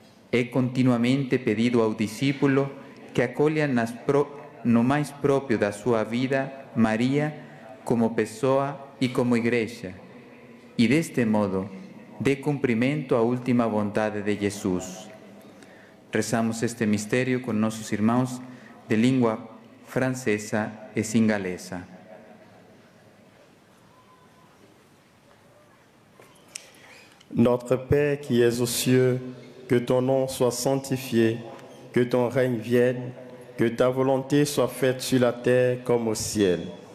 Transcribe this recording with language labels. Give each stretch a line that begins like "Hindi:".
Portuguese: É continuamente pedido ao discípulo que acolha no mais próprio da sua vida Maria como pessoa
Spanish: y como iglesia, y de este modo dé cumplimiento a última bondad de Jesús. Rezamos este misterio con nuestros hermanos de lengua francesa y singalesa.
French: Notre Père qui es aux cieux, que ton nom soit sanctifié, que ton règne vienne, que ta volonté soit faite sur la terre comme au ciel.